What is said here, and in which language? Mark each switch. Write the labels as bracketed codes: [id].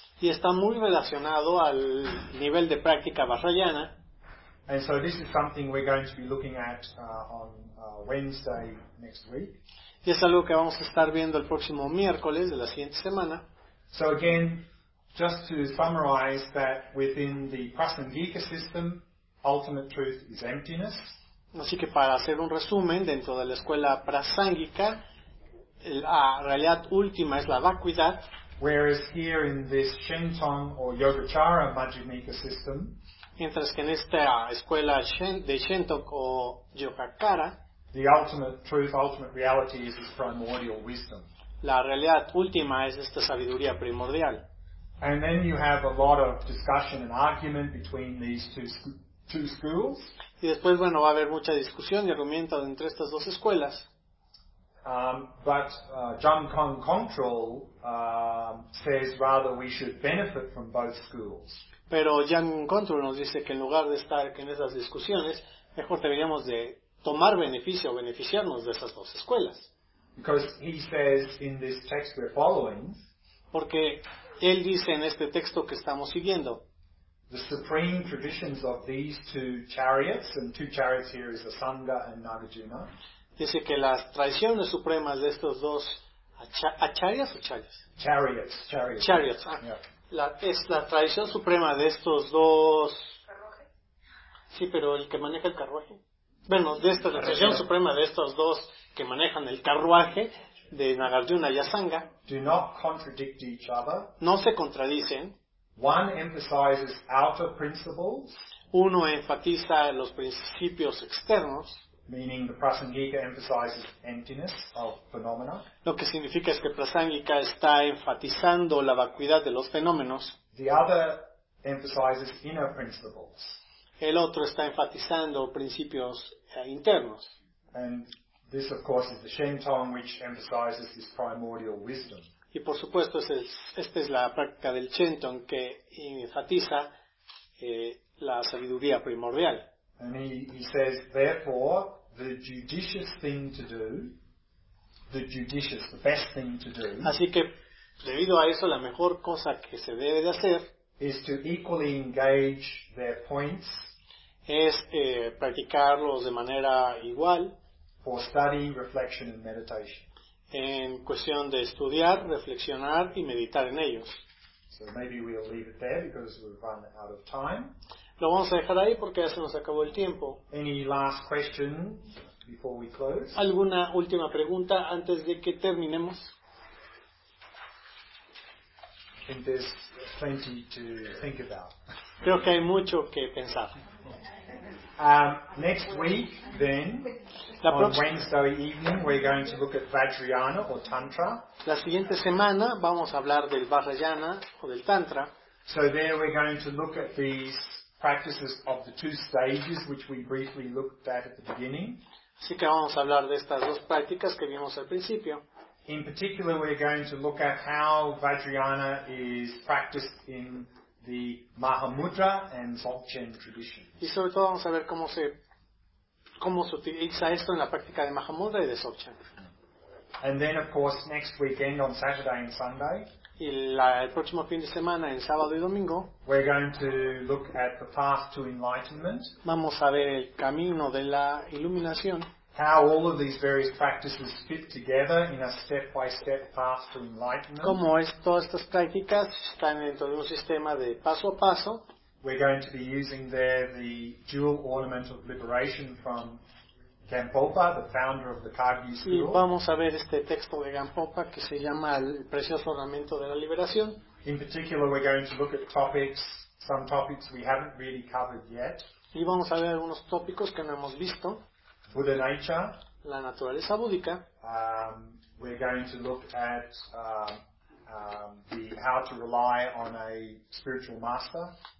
[es] Y está muy relacionado al nivel de práctica Vajrayana. [en] And so this is something we're going to be looking at on Wednesday next week. [es] Y es algo que vamos a estar viendo el próximo miércoles de la siguiente semana. [en] So again, just to summarize that within the Prasangika system, ultimate truth is emptiness. [es] Así que para hacer un resumen, dentro de la escuela Prasangika, la realidad última es la vacuidad. [en] Whereas here in this Shenton or Yogacara Majjhimika system, [es] mientras que en esta escuela de Shenton o Yogacara, [en] the ultimate truth, ultimate reality is this primordial wisdom. [es] La realidad última es esta sabiduría primordial. [en] And then you have a lot of discussion and argument between these two schools. [es] Y después, bueno, va a haber mucha discusión y argumento entre estas dos escuelas. [en] But Jung Kong Control says rather we should benefit from both schools. [es] Pero Jung Control nos dice que en lugar de estar en esas discusiones, mejor deberíamos de tomar beneficio o beneficiarnos de esas dos escuelas. [en] Because he says in this text we're following, [es] porque él dice en este texto que estamos siguiendo, [en] the supreme traditions of these two chariots, and two chariots here is Asanga and Nagarjuna, [es] dice que las tradiciones supremas de estos dos acharyas o chayas? [en] Chariots. Ah, yeah. [es] Es la tradición suprema de estos dos carruaje. Sí, pero el que maneja el carruaje. Bueno, de esta tradición suprema de estos dos que manejan el carruaje de Nagarjuna y Asanga. [en] Do not contradict each other. [es] No se contradicen. [en] One emphasizes outer principles. [es] Uno enfatiza los principios externos. [en] Meaning the Prasangika emphasizes emptiness of phenomena. [es] Lo que significa es que Prasangika está enfatizando la vacuidad de los fenómenos. [en] The other emphasizes inner principles. [es] El otro está enfatizando principios internos. [en] And this of course is the Shenton which emphasizes this primordial wisdom. [es] Y por supuesto esta es la práctica del Shenton que enfatiza la sabiduría primordial. [en] And he says, therefore, the judicious thing to do, the best thing to do, [es] así que, debido a eso, la mejor cosa que se debe de hacer, [en] is to equally engage their points, [es] es practicarlos de manera igual, [en] for study, reflection, and meditation. [es] En cuestión de estudiar, reflexionar y meditar en ellos. [en] So maybe we'll leave it there because we've run out of time. [es] Lo vamos a dejar ahí porque ya se nos acabó el tiempo. [en] Any last question before we close? [es] ¿Alguna última pregunta antes de que terminemos? [en] I think there's plenty to think about. [es] Creo que hay mucho que pensar. [en] Next week, then, on Wednesday evening, we're going to look at Vajrayana or Tantra. [es] La siguiente semana vamos a hablar del Vajrayana o del Tantra. [en] So there we're going to look at these practices of the two stages which we briefly looked at the beginning. [es] Así que vamos a hablar de estas dos prácticas que vimos al principio. [en] In particular, we're going to look at how Vajrayana is practiced in the Mahamudra and Dzogchen traditions. [es] Y sobre todo vamos a ver cómo se utiliza esto en la práctica de Mahamudra y de Dzogchen. [en] And then, of course, next weekend on Saturday and Sunday. [es] el próximo fin de semana, en sábado y domingo, [en] we're going to look at the path to enlightenment. [es] Vamos a ver el camino de la iluminación. [en] How all of these various practices fit together in a step-by-step path to enlightenment. [es] Cómo todas estas prácticas están dentro de un sistema de paso a paso. [en] We're going to be using there the jewel ornament of liberation from Gampopa, the founder of the Kagyu school. [es] Y vamos a ver este texto de Gampopa que se llama El precioso ornamento de la liberación. [en] In particular, we're going to look at topics, some topics we haven't really covered yet. [es] Y vamos a ver algunos tópicos que no hemos visto. [en] Buddha nature, [es] la naturaleza búdica. [en] We're going to look at how to rely on a spiritual master.